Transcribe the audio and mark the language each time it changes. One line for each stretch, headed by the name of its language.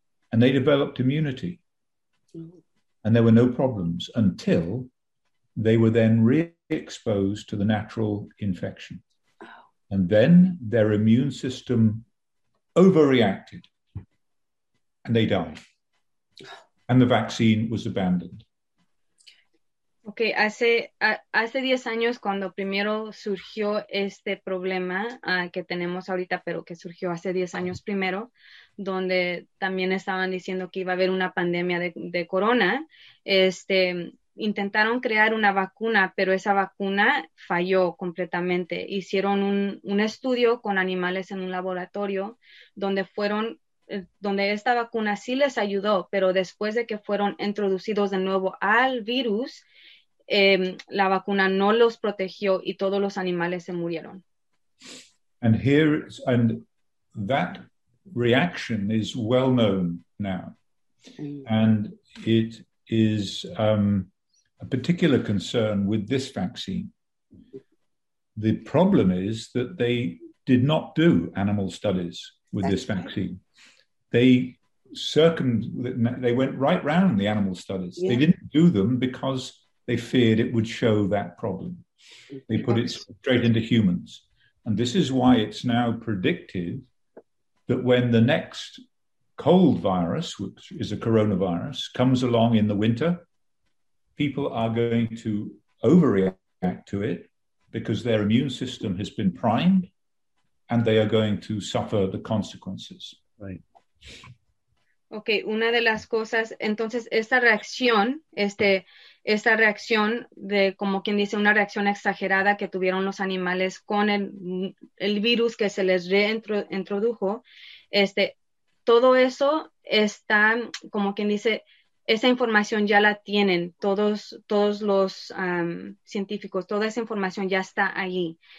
English: And they developed immunity. Mm-hmm. And there were no problems until they were then re-exposed to the natural infection. And then their immune system overreacted and they died. And the vaccine was abandoned.
Spanish: Ok, hace 10 años cuando primero surgió este problema que tenemos ahorita, pero que surgió hace 10 años primero, donde también estaban diciendo que iba a haber una pandemia de corona, intentaron crear una vacuna, pero esa vacuna falló completamente. Hicieron un estudio con animales en un laboratorio donde esta vacuna sí les ayudó, pero después de que fueron introducidos de nuevo al virus, la vacuna no los protegió y todos los animales se murieron.
English: And here is, and that reaction is well known now. And it is a particular concern with this vaccine. The problem is that they did not do animal studies with this vaccine. They went right round the animal studies. Yeah. They didn't do them because they feared it would show that problem. They put it straight into humans. And this is why it's now predicted that when the next cold virus, which is a coronavirus, comes along in the winter, people are going to overreact to it because their immune system has been primed and they are going to suffer the consequences. Right.
Spanish: Okay, una de las cosas, entonces esta reacción, esta reacción de, como quien dice, una reacción exagerada que tuvieron los animales con el virus que se les reintrodujo, todo eso está, como quien dice, esa información ya la tienen todos los científicos, toda esa información ya está ahí.